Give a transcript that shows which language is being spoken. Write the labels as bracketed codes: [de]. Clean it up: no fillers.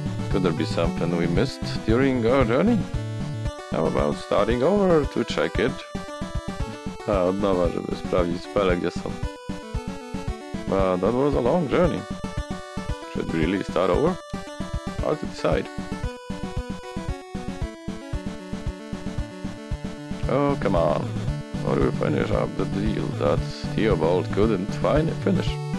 [en] Could there be something we missed during our journey? How about starting over to check it? [pl] A od nowa, żeby sprawdzić spele, gdzie są. [en] But that was a long journey. Should we really start over? How to decide? Oh, come on. What do we finish up the deal that Theobald couldn't finish?